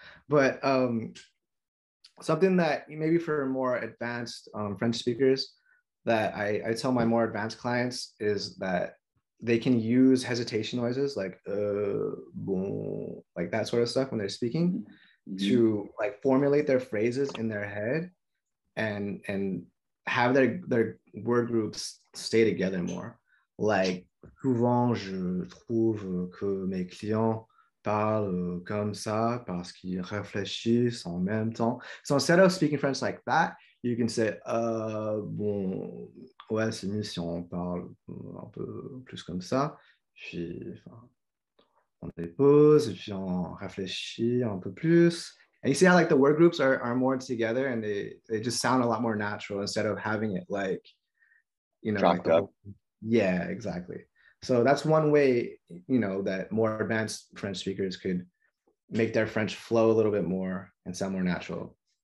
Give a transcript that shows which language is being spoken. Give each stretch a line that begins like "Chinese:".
English: But something that maybe for more advanced French speakers that I tell my more advanced clients is that they can use hesitation noises like boom, like that sort of stuff when they're speaking, to like formulate their phrases in their head and have their word groups stay together more.
French: Like, souvent je trouve que mes clients parlent comme ça parce qu'ils réfléchissent en même temps.
English: So instead of speaking French like that, you can say,
French: bon, ouais, c'est mieux si on parle un peu plus comme ça. Puis, on dépose, et puis on réfléchit un peu plus.
English: And you see how, like, the word groups are more together and they just sound a lot more natural instead of having it, like, you know. Dropped like up. Yeah, exactly. So that's one way, you know, that more advanced French speakers could make their French flow a little bit more and sound more natural.